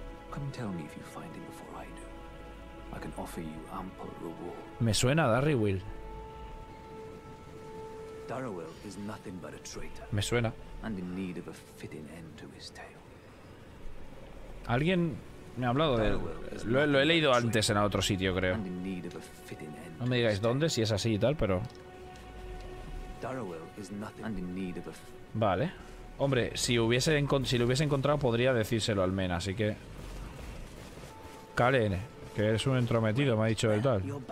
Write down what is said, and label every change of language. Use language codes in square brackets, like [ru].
[en] Come tell me if you find him before I do. I can offer you ample reward. [es] Me suena Darrowell. [en] Darrowell is nothing but a traitor. [es] Me suena. [en] And in need of a fitting end to his tale. [es] Alguien me ha hablado de él. Lo he leído antes en otro sitio, creo. No me digáis dónde, si es así y tal, pero. [en] Darrowell is nothing and in need of a. [es] Vale. Hombre, si lo hubiese encontrado, podría decírselo al men, así que. Kalen, que eres un entrometido, me ha dicho el tal.